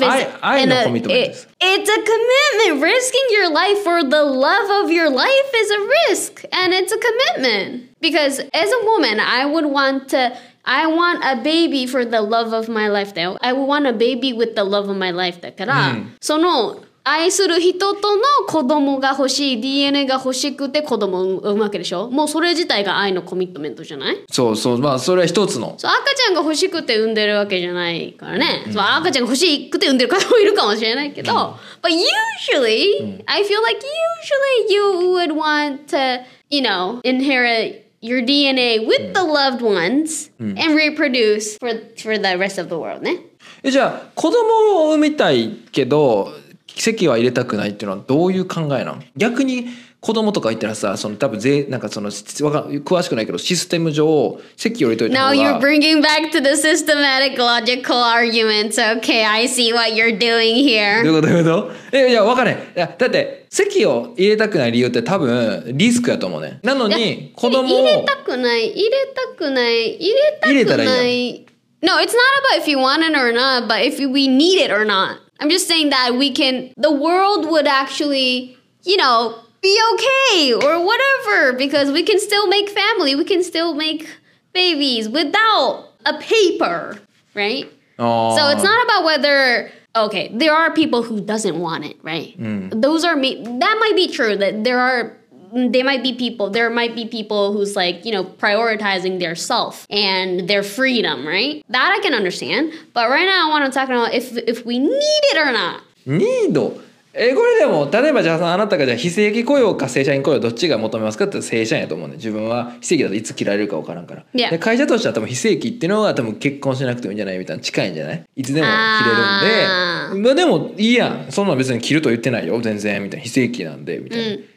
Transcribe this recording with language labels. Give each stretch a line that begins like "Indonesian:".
English: It's a commitment. Risking your life for the love of your life is a risk, and it's a commitment. Because as a woman, I want a baby for the love of my life. I would want a baby with the love of my life.
Japanese: だから、その愛する人との子供が欲しい、 DNA が欲しくて子供を産むわけでしょ。もうそれ自体が愛のコミットメントじゃない？そうそう、まあそれは一つの。そう、赤ちゃんが欲しくて産んでるわけじゃないからね。そう、赤ちゃんが欲しくて産んでる方もいるかもしれないけど、
English: But usually, I feel like usually you would want to, you know, inherit your DNA with the loved ones and reproduce for the rest of the world, ね。
Japanese: え、じゃあ子供を産みたいけど籍は入れたくないっていうのはどういう考えなの？逆に子供とか言ったらさ、その多分税なんかその詳しくないけど、システム上籍を入れといた方が。
English: Now you're bringing back to the systematic logical arguments. Okay, I see what you're doing here.
Japanese: どういうこと？どういうこと？いや、わかんない。いや、だって籍を入れたくない理由って多分リスクやと思うね。なのに子供を入れたくない。
English: No, it's not about if you want it or not, but if we need it or not. I'm just saying that we can, the world would actually, you know, be okay or whatever, because we can still make family, we can still make babies without a paper, right? So it's not about whether, okay, there are people who doesn't want it, right? That might be true, that there might be people who's like, you know, prioritizing their self and their freedom, right? That I can understand. But right now I want to talk about if we need it or not. Need?
Japanese: これでも、例えばじゃあ、あなたがじゃあ非正規雇用か正社員雇用どっちが求めますかって正社員やと思うね。自分は非正規だといつ切られるか分からんから。
English: Yeah.
Japanese: で会社としては多分非正規っていうのは多分結婚しなくてもいいんじゃないみたいな、近いんじゃない、いつでも切れるんで。まあでもいいやん。そんな別に切ると言ってないよ、全然、みたいな。非正規なんで、みたいな。